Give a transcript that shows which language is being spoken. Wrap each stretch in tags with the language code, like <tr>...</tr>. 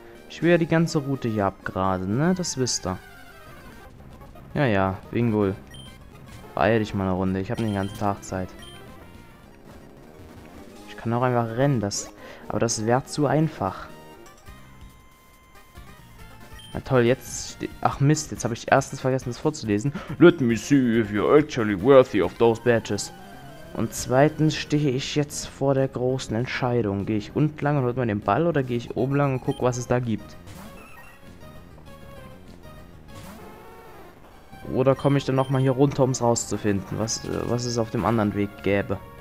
<de>Ich will ja die ganze Route hier abgraden, ne? Das wisst ihr. Ja, ja, Wingull. Beeil dich mal eine Runde. Ich habe den ganzen Tag Zeit. Ich kann auch einfach rennen, aber das wäre zu einfach. Na toll, jetzt. Ach Mist, jetzt habe ich erstens vergessen, das vorzulesen.</de> <en>Let me see if you're actually worthy of those badges.</en> <de>Und zweitens stehe ich jetzt vor der großen Entscheidung. Gehe ich unten lang und hol mal den Ball oder gehe ich oben lang und gucke, was es da gibt? Oder komme ich dann nochmal hier runter, um es rauszufinden, was es auf dem anderen Weg gäbe?</de>